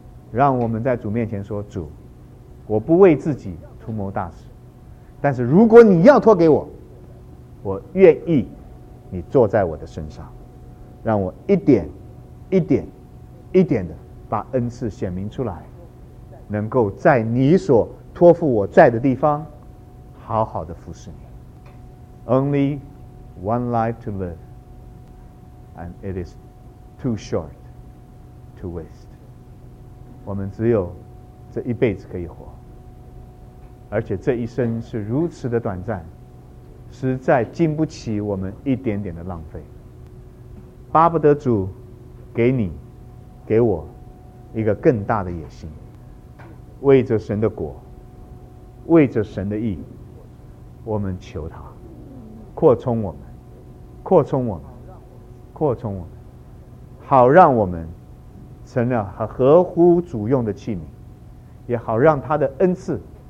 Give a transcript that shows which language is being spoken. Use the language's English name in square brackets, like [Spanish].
[Chinese] 让我们在主面前说，主，我不为自己图谋大事，但是如果你要托给我，我愿意你坐在我的身上，让我一点一点一点的把恩赐显明出来，能够在你所托付我在的地方好好的服侍你。 [English] Only one life to live, and it is too short to waste. [Chinese] 我们只有这一辈子可以活，而且这一生是如此的短暂，实在经不起我们一点点的浪费。巴不得主给你给我一个更大的野心，为着神的国，为着神的义，我们求他扩充我们，扩充我们，扩充我们，好让我们成了合乎主用的器皿，也好让他的恩赐